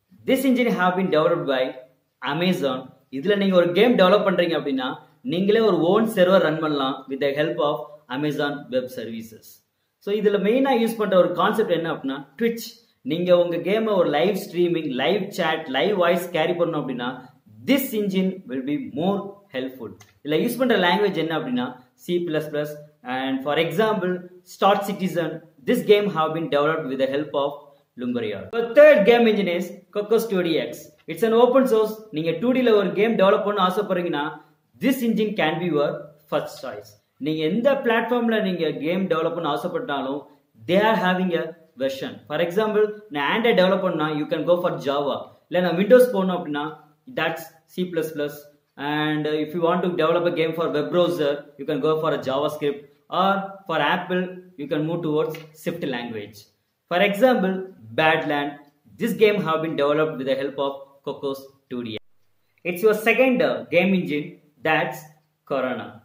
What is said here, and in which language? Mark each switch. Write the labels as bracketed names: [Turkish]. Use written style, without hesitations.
[English] This engine have been developed by Amazon. [Tamil] இதுல நீங்க ஒரு கேம் டெவலப் பண்றீங்க அப்படின்னா நீங்களே ஒரு ஓன் சர்வர் ரன் பண்ணலாம் [English] With the help of Amazon web services. [Tamil] So இதுல மெயினா யூஸ் பண்ற ஒரு கான்செப்ட் என்ன அப்படின்னா ட்விச். நீங்க உங்க கேமை ஒரு live streaming, live chat, live voice carry பண்ணணும் அப்படின்னா [English] This engine will be more helpful. [Tamil] இதுல யூஸ் பண்ற லாங்குவேஜ் என்ன அப்படின்னா C++. [English] And for example, Star Citizen, this game have been developed with the help of Lumberyard. The third game engine is Cocos 2DX. It's an open source. [Tamil] நீங்க 2D ல ஒரு game develop பண்ண ஆசைப்படுறீங்கன்னா [English] this engine can be your first choice. [Tamil] நீங்க எந்த பிளாட்ஃபார்ம்ல நீங்க game develop பண்ண ஆசைப்பட்டாலும் [English] they are having a version. For example, [Tamil] நான் Android டெவலப் பண்ணா [English] you can go for Java. [Tamil] இல்ல நான் Windows போனும் அப்படின்னா [English] that's C++. And if you want to develop a game for web browser, you can go for a JavaScript. Or for Apple, you can move towards Swift language. For example, Badland. This game have been developed with the help of Cocos 2DX. It's your second game engine, that's Karuna.